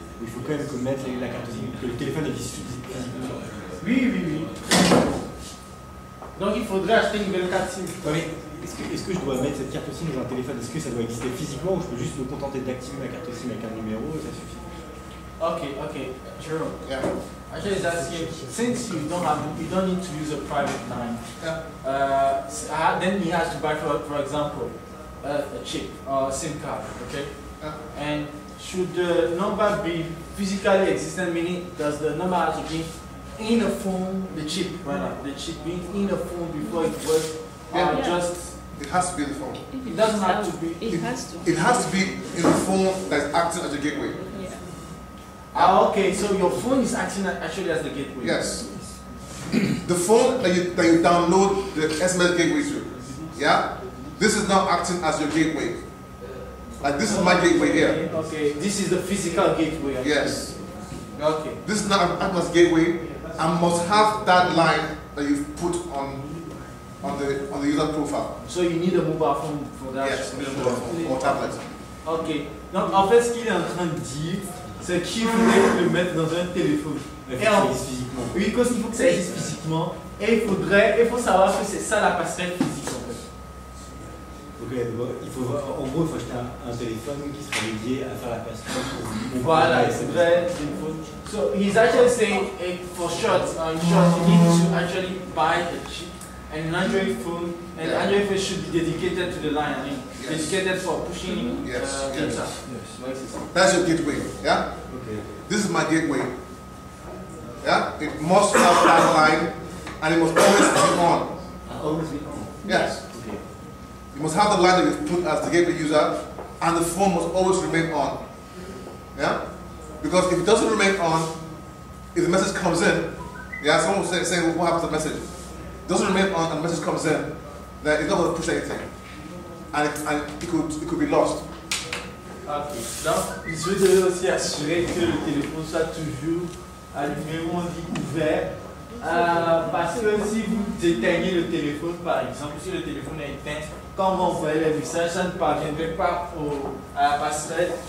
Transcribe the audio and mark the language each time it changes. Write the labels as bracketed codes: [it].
[fr] Il faut quand même que mettre la carte SIM, que le téléphone est visible. Oui. Donc il faudrait acheter une nouvelle carte SIM. Oui. Est-ce que je dois mettre cette carte SIM dans un téléphone? Est-ce que ça doit exister physiquement ou je peux juste me contenter d'activer ma carte SIM avec un numéro et ça suffit? [en] Ok. Jerome. Yeah. I just ask you, since you don't need to use a private line, yeah. Then he has to buy for example, a chip or a SIM card, okay? Yeah. And should the number be physically existent, meaning does the number have to be in a phone, the chip, right? Yeah. The chip being in a phone before it was. Yeah. Just it has to be in the phone. It has to be in the phone that's acting as a gateway. Yeah. Okay, so your phone is actually as the gateway. Yes. The phone that you download the SMS gateway to. Yeah? This is now acting as your gateway. Like this is my gateway here. Okay. This is the physical gateway. Actually. Yes. Okay. This is now acting as gateway. I must have that line that you've put on the user profile. So you need a mobile phone for that? Yes, need a mobile phone or tablet. Okay. [fr] Donc en fait ce qu'il est en train de dire, c'est qu'il voulait le mettre dans un téléphone. Physiquement. Oui, parce qu'il faut que ça existe physiquement. Et il faut savoir que c'est ça la passerelle physique en fait. Ok, donc il faut voir, en gros il faut acheter un téléphone qui sera dédié à faire la passerelle pour voilà, c'est vrai, c'est une faute. [en] So he's actually saying in short, you need to actually buy the chip. And an Android phone, and yeah. Android phone should be dedicated to the line, I mean, yes. Dedicated for pushing data. Yes. Yes. That's your gateway, yeah? Okay. This is my gateway. Yeah? It must have that line, and it must always be on. Always be on? Yes. Okay. You must have the line that you've put as the gateway user, and the phone must always remain on. Yeah? Because if it doesn't remain on, if the message comes in, yeah, someone will say, what happens to the message? Doesn't remain on and the message comes in, then it's not going to push anything. And it could be lost. Okay. [fr] Donc, je veux dire aussi assurer que le téléphone soit toujours allumé ou on dit ouvert. Parce que si vous éteignez le téléphone, par exemple, si le téléphone est éteint, quand vous envoyez les messages, ça ne parviendrait pas à la passerelle.